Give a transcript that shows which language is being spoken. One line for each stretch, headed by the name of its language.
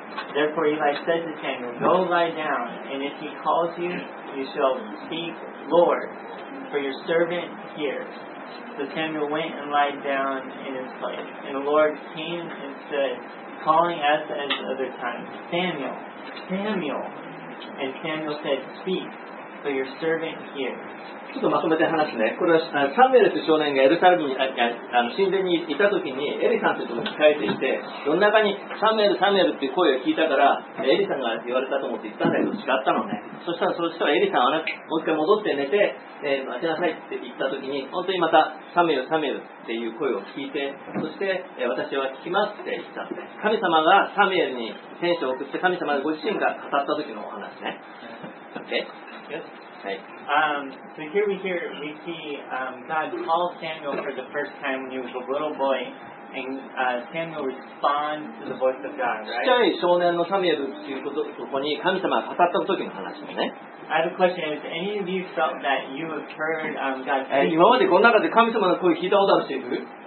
English: Therefore Eli said to Samuel, Go lie down, and if he calls you, you shall speak, Lord, for your servant hears. So Samuel went and lied down in his place. And the Lord came and stood, calling as at the other time, Samuel, Samuel. And Samuel said, Speak, for your servant hears.
Japanese: ちょっとまとめて話すね。これはサムエルという少年がエルサレムに神殿にいた時にエリさんというところに控えていて、その中にサムエル、サムエルという声を聞いたから、エリさんが言われたと思って行ったんだけど違ったのね。そしたら、そしたらエリさんはね、もう一回戻って寝て、待ちなさいって言った時に、本当にまたサムエル、サムエルっていう声を聞いて、そして、私は聞きますって言ったんで、神様がサムエルに天使を送って、神様がご自身が語った時のお話ね。
English: OK? So here we see God call Samuel for the first time when he was a little boy, and Samuel responds to the voice of God, right?
Japanese: 小さい少年のサミュエルっていうこと、ここに神様が語った時の話ですね。
English: I have a question. Has any of you felt that you have heard God speak?
Japanese: 今までこの中で神様の声聞いたことある人いる？